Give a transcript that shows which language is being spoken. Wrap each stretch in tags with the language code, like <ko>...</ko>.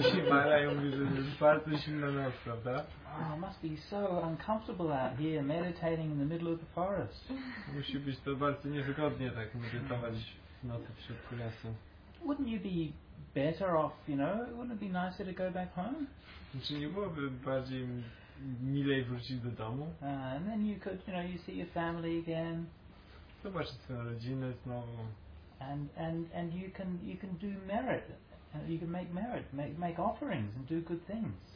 <pl>Mara mówi, że jest bardzo zimna noc, prawda?</pl> <en>Oh, it must be so uncomfortable out here meditating in the middle of the forest.</en> <pl>Musi być to bardzo niewygodnie tak medytować w nocy wśród lasu.</pl> <en>Wouldn't you be better off, you know? Wouldn't it be nicer to go back home?</en> <pl>Czy nie byłoby bardziej milej wrócić do domu?</pl> <en>And then you could, you know, you see your family again.</en> <pl>Zobaczyć swoją rodzinę znowu.</pl> <en>And you can do merit, you can make merit, make offerings and do good things.</en>